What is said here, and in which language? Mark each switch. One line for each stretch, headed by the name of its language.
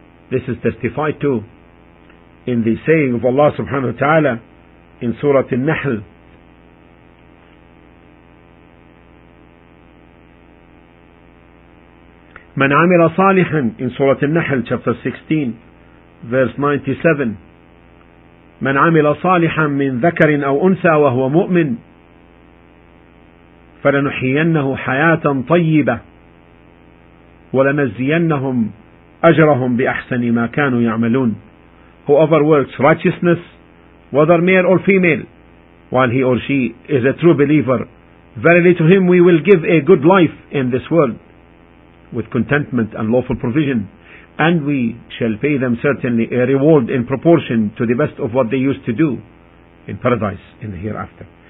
English: This is testified to in the saying of Allah subhanahu wa ta'ala in Surah An-Nahl,
Arabic: من عمل صالحا,
English: in Surah An-Nahl chapter 16 verse 97,
Arabic: من عمل صالحا من ذكر أو أنثى وهو مؤمن فلنحيينه حياة طيبة ولنزينهم أجرهم بأحسن ما كانوا يعملون.
English: Whoever works righteousness, whether male or female, while he or she is a true believer, verily to him we will give a good life in this world with contentment and lawful provision, and we shall pay them certainly a reward in proportion to the best of what they used to do in paradise in the hereafter.